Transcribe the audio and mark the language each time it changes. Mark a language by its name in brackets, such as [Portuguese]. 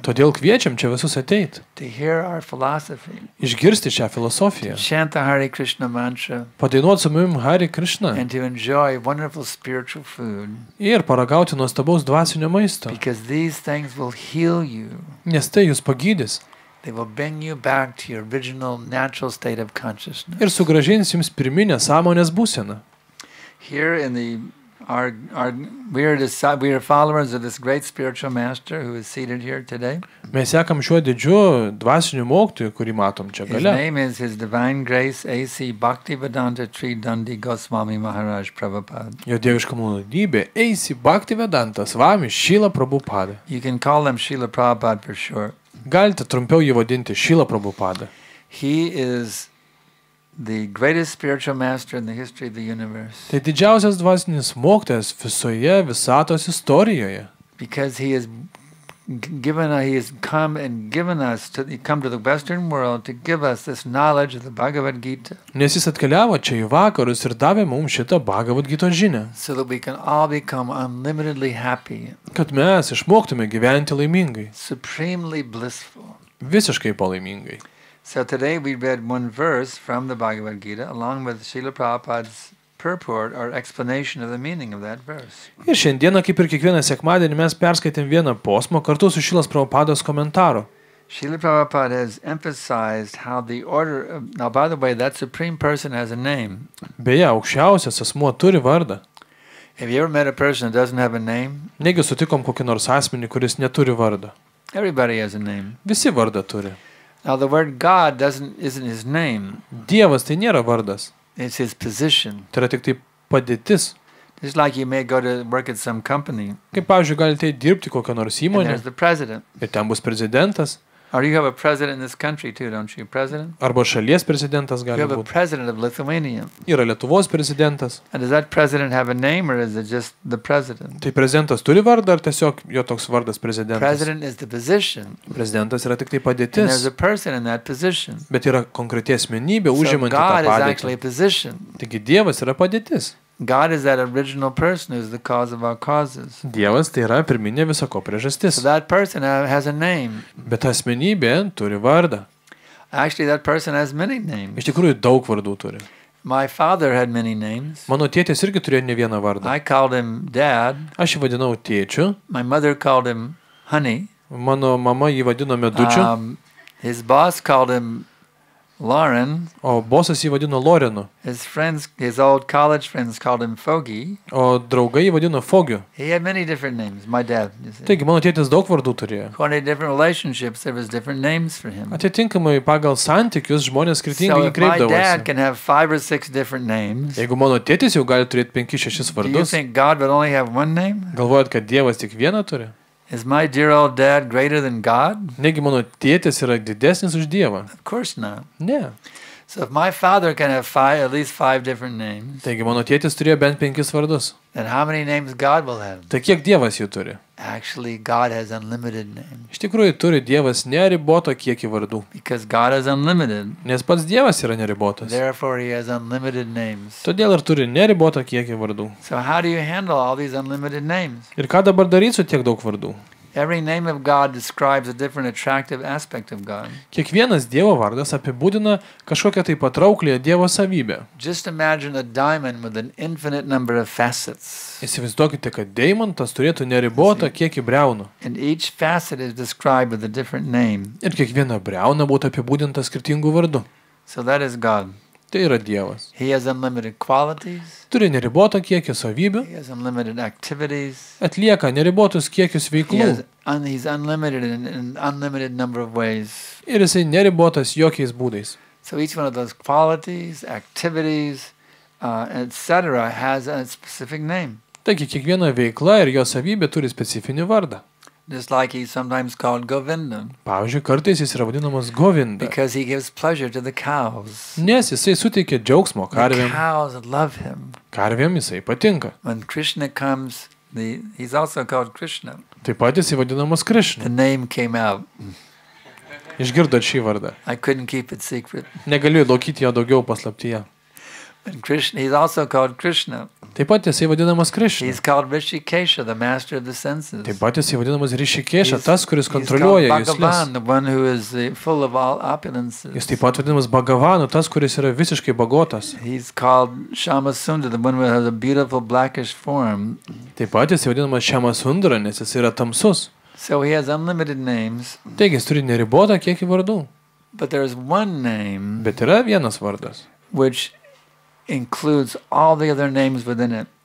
[Lithuanian] Todėl kviečiam čia visus ateit. [English] To hear our philosophy. [Lithuanian] Išgirsti šią filosofiją. [English] To chant the Hare Krishna mantra. [Lithuanian] Padainuot su mumim Hare Krishna. [English] And to enjoy wonderful spiritual food. [Lithuanian] Ir paragauti nuostabaus dvasinio maisto. [English] Because these things will heal you. [Lithuanian] Nes tai jūs pagydys. [English] They will bring you back to your original natural state of consciousness. [Lithuanian] Ir sugrąžins jums pirminę sąmonės būseną. [English] Here in the we are followers of this great spiritual master who is seated here today. [Lithuanian] Mes sekam šiuo didžiu dvasiniu mokytoju, kurį matom čia gale. [English] His name is His Divine Grace A.C. Bhaktivedanta Sri Dandi Goswami Maharaj Prabhupada. [Lithuanian] Jo dieviška malonybė A.C. Bhaktivedanta Swami Srila Prabhupada. [English] You can call him Srila Prabhupada for short. [Lithuanian] Galite trumpiau jį vadinti Srila Prabhupada. [English] He is the greatest spiritual master in the history of the universe. [Lithuanian] Tai didžiausias dvasinis mokytojas visoje visatos istorijoje. [English] Because he has come to the western world to give us this knowledge of the Bhagavad Gita. [Lithuanian] Nes jis atkeliavo čia į vakarus ir davė mums šitą Bhagavad Gita žinią. [English] So that we can all become unlimitedly happy. [Lithuanian] Kad mes išmoktume gyventi laimingai. [English] Supremely blissful. [Lithuanian] Visiškai palaimingai. [English] So today we read one verse from the Bhagavad Gita along with Srila Prabhupada's purport or explanation of the meaning of that verse. [Lithuanian] Ir šiandieną, kaip ir kiekvieną sekmadienį, mes perskaitėm vieną posmą kartu su Šrilos Prabhupados komentaru. [English] Srila Prabhupada has emphasized how the order of, now by the way, that supreme person has a name. [Lithuanian] Beje, aukščiausias asmuo turi vardą. [English] Have you ever met a person that doesn't have a name? [Lithuanian] Negi sutikom kokį nors asmenį, kuris neturi vardo. [English] Everybody has a name. [Lithuanian] Visi vardą turi. [English] Now the word God isn't his name. [Lithuanian] Dievas tai nėra vardas. [English] It's his position. [Lithuanian] Tai yra tik tai padėtis. [English] It's like you may go to work at some company. [Lithuanian] Kaip, pavyzdžiui, galite dirbti kokią nors įmonę. [English] And there's the president. [Lithuanian] Ir ten bus prezidentas. [English] Or you have a president in this country too, don't you? President? [Lithuanian] Arba šalies prezidentas gali būti. [English] You have a president of Lithuania. [Lithuanian] Yra Lietuvos prezidentas. [English] And does that president have a name or is it just the president? [Lithuanian] Tai prezidentas turi vardą ar tiesiog jo toks vardas prezidentas? [English] President is the position. [Lithuanian] Prezidentas yra tik tai padėtis. [English] And there's a person in that position. [Lithuanian] Bet yra konkreti asmenybė užimanti tą padėtį. [English] So God is actually a position. [Lithuanian] Taigi Dievas yra padėtis. [English] God is that original person who is the cause of our causes. [Lithuanian] Dievas tai yra pirminė viso ko priežastis. [English] So that person has a name. [Lithuanian] Bet asmenybė turi vardą. [English] Actually, that person has many names. [Lithuanian] Iš tikrųjų daug vardų turi. [English] My father had many names. [Lithuanian] Mano tėtis irgi turėjo ne vieną vardą. [English] I called him dad. [Lithuanian] Aš jį vadinau tėčiu. [English] My mother called him honey. [Lithuanian] Mano mama jį vadino medučiu. [English] His boss called him Lauren. [Lithuanian] O bosas jį vadino Lorenu. [English] His old college friends called him Foggy. [Lithuanian] O draugai jį vadino Fogiu. [English] He had many different names, my dad. [Lithuanian] Taigi, mano tėtis daug vardų turėjo. [English] According to different relationships, there was different names for him. [Lithuanian] Atitinkamai pagal santykius žmonės skirtingai kreipdavosi. [English] So my dad can have five or six different names. [Lithuanian] Jeigu mano tėtis jau gali turėti penkis šešis vardus. [English] Do you think God would only have one name? [Lithuanian] Galvojat, kad Dievas tik vieną turi? [English] Is my dear old dad greater than God? [Lithuanian] Negi mano tėtis yra didesnis už Dievą? [English] Of course not. [Lithuanian] Ne. [English] So if my father can have five, at least five different names. [Lithuanian] Taigi mano tėtis turėjo bent penkis vardus. [English] And how many names God will have? [Lithuanian] Tai kiek Dievas jų turi? [English] Actually, God has unlimited names. [Lithuanian] Iš tikrųjų turi Dievas neriboto kiekį vardų. [English] Because God is unlimited. [Lithuanian] Nes pats Dievas yra neribotas. [English] Therefore, he has unlimited names. [Lithuanian] Todėl ir turi neriboto kiekį vardų. [English] So how do you handle all these unlimited names? [Lithuanian] Ir ką dabar daryti su tiek daug vardų? [English] Every name of God describes a different attractive aspect of God. [Lithuanian] Kiekvienas Dievo vardas apibūdina kažkokią tai patrauklią Dievo savybę. [English] Just imagine a diamond with an infinite number of facets. [Lithuanian] Įsivaizduokite, kad deimantas turėtų neribotą kiekį briaunų. [English] And each facet is described with a different name. [Lithuanian] Ir kiekviena briauna būtų apibūdinta skirtingu vardu. [English] So that is God. [Lithuanian] Tai yra Dievas. [English] He has unlimited qualities. [Lithuanian] Turi neribotą kiekį savybių. [English] He has unlimited activities. [Lithuanian] Atlieka neribotus kiekius veiklų. [English] He's unlimited in an unlimited number of ways. [Lithuanian] Ir jisai neribotas jokiais būdais. [English] So each one of those qualities, activities, etc. has a specific name. [Lithuanian] Taigi kiekviena veikla ir jo savybė turi specifinį vardą. [English] Just like he's sometimes called Govinda. [Lithuanian] Pavyzdžiui, kartais jis yra vadinamas Govinda. [English] Because he gives pleasure to the cows. [Lithuanian] Nes jisai suteikia džiaugsmo karvėm. [English] The cows love him. [Lithuanian] Karvėm jisai patinka. [English] When Krishna comes, he's also called Krishna. [Lithuanian] Taip pat jisai vadinamas Krishna. [English] The name came out. [Lithuanian] Išgirdot šį vardą. [English] I couldn't keep it secret. [Lithuanian] Negaliu laikyti jo daugiau paslaptyje. [English] And Krishna, he's also called Krishna. [Lithuanian] Taip pat jisai vadinamas Krishna. [English] He's called Rishikesha, the master of the senses. [Lithuanian] Taip pat jisai vadinamas Rishikesha, tas, kuris kontroliuoja juslis. [English] He's called Bhagavan, the one who is full of all opulences. [Lithuanian] Jis taip pat vadinamas Bhagavanu, tas, kuris yra visiškai bagotas. [English] He's called Shamasundra, the one who has a beautiful blackish form. [Lithuanian] Taip pat jisai vadinamas Shamasundra, nes jis yra tamsus. [English] So he has unlimited names. [Lithuanian] Taigi jis turi neribotą kiekį vardų. [English] But there is one name. [Lithuanian] Bet yra vienas vardas. [English] Which includes all the other names within it.